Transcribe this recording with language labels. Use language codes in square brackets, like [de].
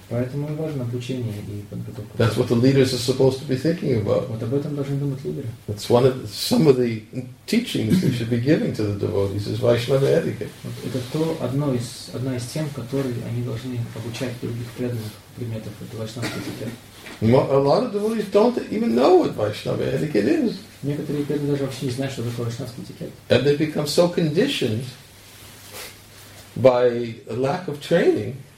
[ru] Поэтому важно обучение и подготовка. [en] That's what the leaders are supposed to be thinking about. [ru] Вот об этом должны думать лидеры. [en] That's one of some of the teachings they should be giving to the devotees is Vaishnava etiquette. [ru] Вот это то одна из тем, которые они должны обучать других преданных предметов этого вайшнавского этикета. [en] A lot of devotees don't even know what Vaishnava etiquette is. [ru] Некоторые преданные даже вообще не знают, что такое вайшнавский этикет. [en] And they become so conditioned by lack of training,